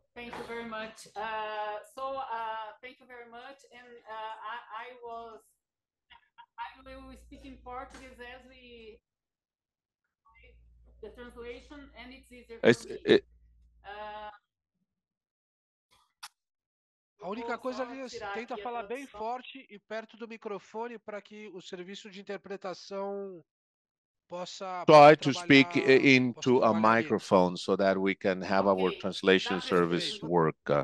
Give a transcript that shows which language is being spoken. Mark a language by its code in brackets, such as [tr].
[en] Thank you very much. Thank you very much. And I will be speaking Portuguese as we the translation, and it's easier for [pt] A única coisa, Lias, tenta falar bem forte e perto do microfone para que o serviço de interpretação possa [en] try to speak into a microphone so that we can have our translation service work.